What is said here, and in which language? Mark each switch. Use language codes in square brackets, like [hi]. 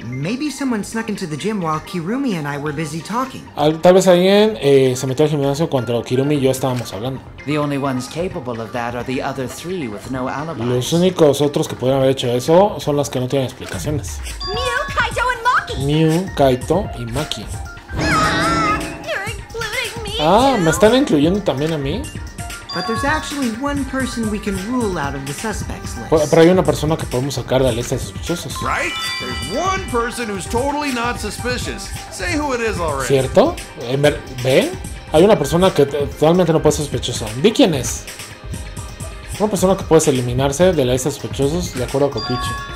[en] Maybe someone snuck into the gym while Kirumi and I were busy talking. [es] Tal vez alguien se metió al gimnasio cuando Kirumi y yo estábamos hablando. [en] The only ones capable of that are the other three with no alibis. [es] Los únicos otros que pudieran haber hecho eso son las que no tienen explicaciones. [en] Mew, Kaito and Maki. [es] Mew, Kaito y Maki. [en] You're including me. [es] Me están incluyendo también a mí. [en] But there's actually one person we can rule out of the suspects list. [es] Pero hay una persona que podemos sacar de la lista de sospechosos. [en] Right? There's one person who's totally not suspicious. Say who it is already. [es] ¿Cierto? ¿Ven? Hay una persona que totalmente no puede ser sospechosa. ¿Di quién es? Una persona que puedes eliminarse de la lista de sospechosos, de acuerdo a Kokichi.